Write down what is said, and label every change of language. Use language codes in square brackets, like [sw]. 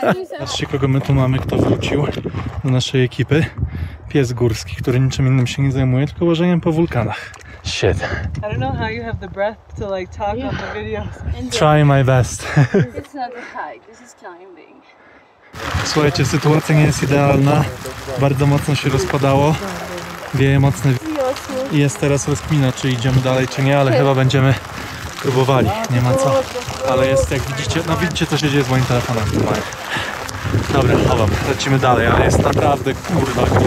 [pl] Zobaczcie, kogo my tu mamy, kto wrócił do naszej ekipy. Pies górski, który niczym innym się nie zajmuje, tylko łażeniem po wulkanach. [en] Shit. I don't know how you have the breath to like talk on the videos. Trying my best. It's not a hike, this is climbing. [pl] Słuchajcie, sytuacja nie jest idealna. Bardzo mocno się rozpadało. Wieje mocny i jest teraz rozkmina, czy idziemy dalej, czy nie, ale chyba będziemy próbowali. Nie ma co. Ale jest, jak widzicie, no widzicie, co się dzieje z moim telefonem. Dobra, chowam, lecimy dalej, ale jest naprawdę kurwa.